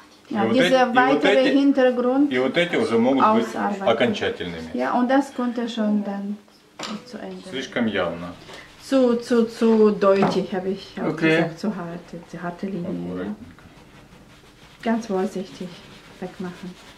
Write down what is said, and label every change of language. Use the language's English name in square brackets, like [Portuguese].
[German] Ja, dieser weitere Hintergrund. [Russian] И вот эти уже могут быть окончательными. [German] Ja, und das konnte schon dann zu Ende. [Russian] Слишком явно. [German] Zu deutlich habe ich auch gesagt, zu hart, die harte Linie. Ja. Ganz vorsichtig wegmachen.